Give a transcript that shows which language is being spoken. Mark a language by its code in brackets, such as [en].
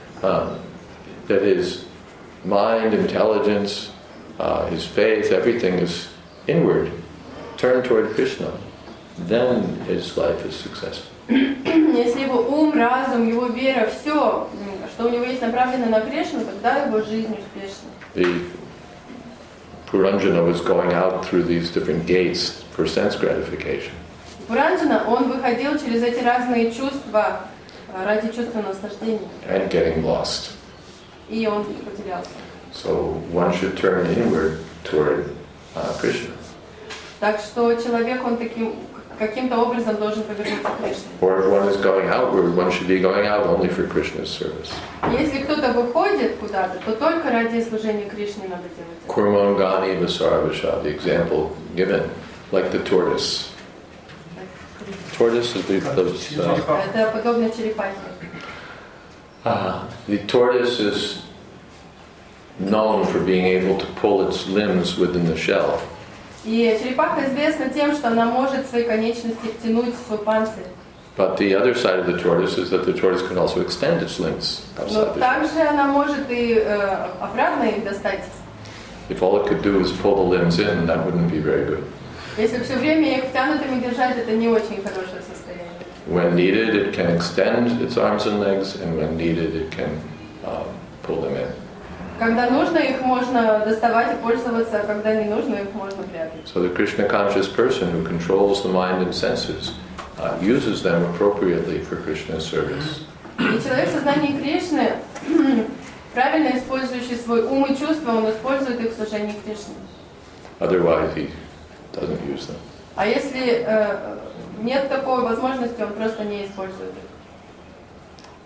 [en] That is, mind, intelligence, his faith, everything is inward. Turn toward Krishna. Then his life is successful. [ru] Если его ум, разум, его вера, все, что у него есть направлено на Кришну, тогда его жизнь успешна. [en] The Puranjana was going out through these different gates for sense gratification. [ru] Puranjana, он выходил через эти разные чувства ради чувственного наслаждения. [en] And getting lost. [ru] И он потерялся. [en] So one should turn inward toward Krishna. [ru] Так что человек, он таким, каким-то образом должен повернуться к Кришне. [en] Or if one is going outward, one should be going out only for Krishna's service. [ru] Если кто-то выходит куда-то, то только ради служения Кришне надо делать. [sa] Курмангани Васаравиша, [en] the example given, like the tortoise. Tortoise is [ru] Это подобно черепахе. [en] The tortoise is known for being able to pull its limbs within the shell. [ru] И черепаха известна тем, что она может свои конечности втянуть в свой панцирь. [en] But the other side of the tortoise is that the tortoise can also extend its limbs outside. [ru] Но также она может и обратно их достать. [en] If all it could do is pull the limbs in, that wouldn't be very good. [ru] Если все время их втянутыми держать, это не очень хорошее состояние. [en] When needed, it can extend its arms and legs, and when needed, it can pull them in. [ru] Когда нужно, их можно доставать и пользоваться, а когда не нужно, их можно прятать. [en] So the Krishna conscious person who controls the mind and senses uses them appropriately for Krishna's service. [ru] И человек в сознании Кришны, правильно использующий свой ум и чувства, он использует их в служении Кришне. [en] Otherwise, he doesn't use them. [ru] А если нет такой возможности, он просто не использует их.